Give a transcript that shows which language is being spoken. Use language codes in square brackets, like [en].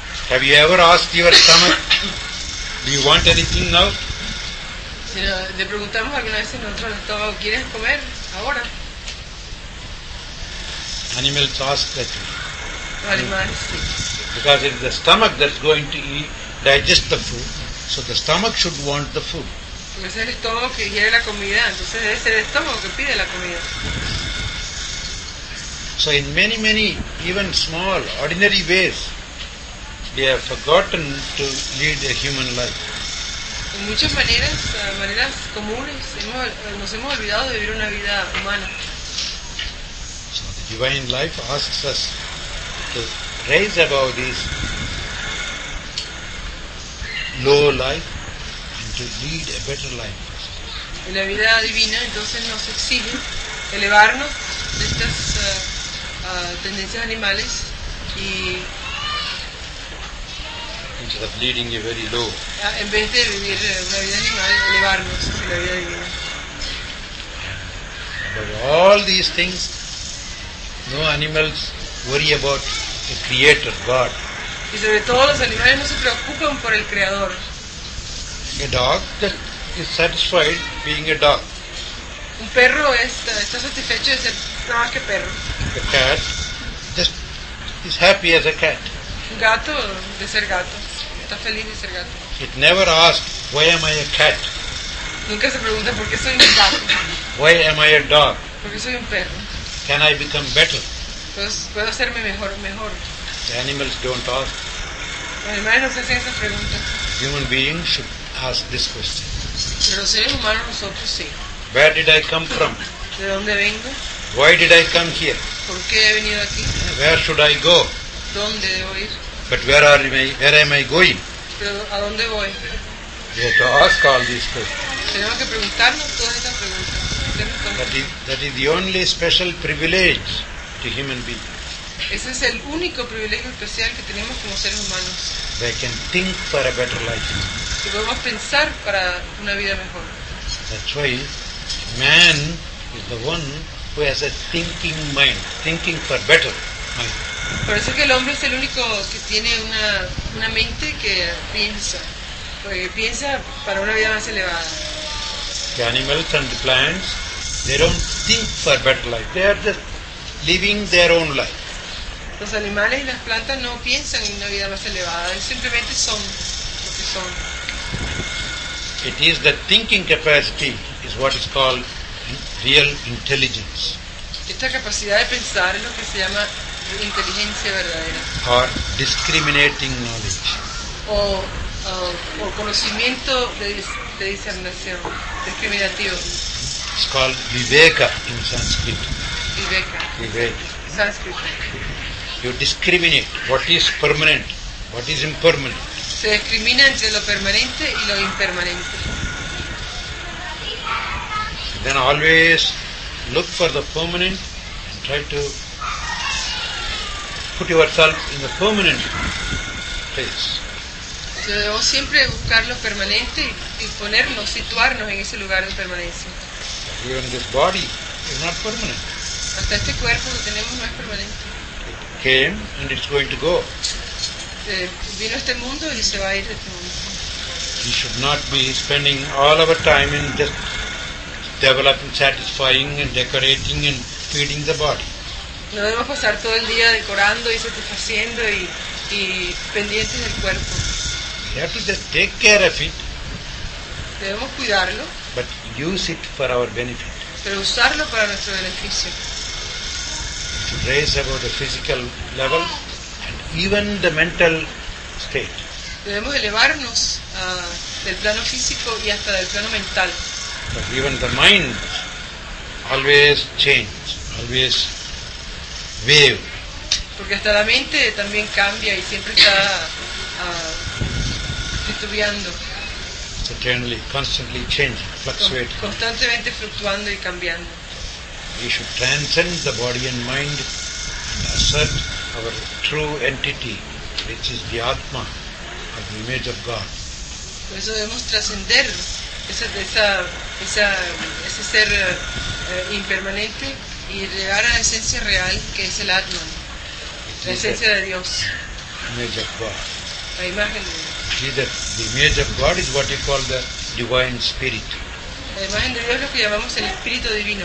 [en] Have you ever asked your stomach, do you want anything now? [es] Si le preguntamos alguna vez en nuestro estómago, ¿quieres comer ahora? [en] Animals ask that. [es] Animals, sí. [en] Because it's the stomach that's going to eat, digest the food, so the stomach should want the food. [es] Porque es el estómago que quiere la comida, entonces debe ser el estómago que pide la comida. [en] So in many, many, even small, ordinary ways, we have forgotten to lead a human life. [es] En muchas maneras comunes, nos hemos olvidado de vivir una vida humana. [en] So the divine life asks us to raise above this low life and to lead a better life. [es] En la vida divina, entonces nos exige elevarnos de estas tendencias animales y [en] instead of leading a very low. [es] En vez de vivir una vida animal, elevarnos en la vida divina. [en] But all these things, no animals worry about the creator, God. [es] Y sobre todo los animales no se preocupan por el creador. [en] A dog that is satisfied being a dog. [es] Un perro está satisfecho de ser nada más que perro. [en] A cat just is happy as a cat. [es] Un gato de ser gato. Está feliz de ser gato. [en] It never asks, why am I a cat? [es] Nunca se pregunta por qué soy un gato. [en] Why am I a dog? [es] Por qué soy un perro. [en] Can I become better? [es] Puedo hacerme mejor. [en] The animals don't ask. [es] Los animales no se hacen esa pregunta. [en] Human beings should ask this question. [es] Pero seres humanos nosotros sí. [en] Where did I come from? [es] ¿De dónde vengo? [en] Why did I come here? [es] ¿Por qué he venido aquí? [en] Where should I go? [es] ¿Dónde debo ir? [en] But where am I going? [es] ¿Pero a dónde voy? [en] We have to ask all these questions. [es] Tenemos que preguntarnos todas estas preguntas. [en] That is the only special privilege to human beings. [es] Ese es el único privilegio especial que tenemos como seres humanos. [en] They can think for a better life. [es] Que podemos pensar para una vida mejor. [en] That's why man is the one who has a thinking mind, thinking for better mind. [es] Por eso es que el hombre es el único que tiene una mente que piensa, porque piensa para una vida más elevada. [en] The animals and the plants, they don't think for better life. They are just living their own life. [es] Los animales y las plantas no piensan en una vida más elevada. Simplemente son lo que son. [en] It is the thinking capacity is what is called real intelligence. [es] Esta capacidad de pensar es lo que se llama inteligencia verdadera. [en] Or discriminating knowledge. [es] O conocimiento de discernación, discriminativo. [en] It's called Viveka in Sanskrit. Viveka. Sanskrit. You discriminate what is permanent, what is impermanent. [es] Se discrimina entre lo permanente y lo impermanente. [en] Then always look for the permanent and try to put yourself in the permanent place. [es] Entonces debemos siempre buscar lo permanente y ponernos, situarnos en ese lugar de permanencia. [en] Even this body is not permanent. [es] Hasta este cuerpo lo tenemos no es permanente. [en] It came and it's going to go. [es] Vino este mundo y se va a ir de este mundo. [en] We should not be spending all our time in just developing, satisfying and decorating and feeding the body. [es] No debemos pasar todo el día decorando y satisfaciendo y pendientes del cuerpo. [en] We have to just take care of it. [es] Debemos cuidarlo. [en] But use it for our benefit. [es] Pero usarlo para nuestro beneficio. [en] To raise above the physical level and even the mental state. [es] Debemos elevarnos del plano físico y hasta del plano mental. [en] But even the mind always changes, always wave. [es] Porque hasta la mente también cambia y siempre está titubeando. [en] Eternally, constantly changing, fluctuating. [es] Constantemente fluctuando y cambiando. [en] We should transcend the body and mind and assert our true entity, which is the Atma, or the image of God. [es] Por eso debemos trascender ese ser impermanente y llegar a la esencia real que es el Atman, la esencia de Dios. [en] Image of God. [es] La imagen de Dios. [en] See that the image of God is what you call the divine spirit. [es] La imagen de Dios es lo que llamamos el espíritu divino.